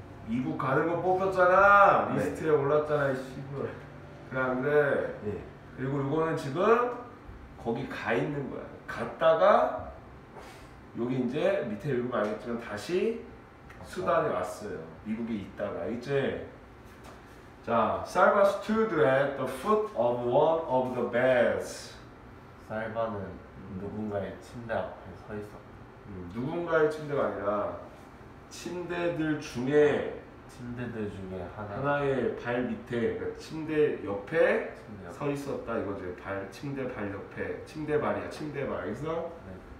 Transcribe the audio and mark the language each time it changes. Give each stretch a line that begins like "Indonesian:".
Korean: 미국 가는 거 뽑혔잖아. 네. 리스트에 올랐잖아, 이 시골. 그런데 네. 그리고 이거는 지금 거기 가 있는 거야. 갔다가 여기 이제 밑에 읽으면 알겠지만 다시 수단에 왔어요. 미국에 있다가 이제.
English: 자, Salva stood at the foot of one of the beds.
Korean: 살바는 누군가의 침대 앞에 서 있었고. 누군가의 침대가 아니라 침대들 중에 하나. 하나의 발 밑에, 그러니까 침대 옆에 서 있었다. 이거죠. 발 침대 발 옆에. 침대 발이야. 침대 발. 그래서 네.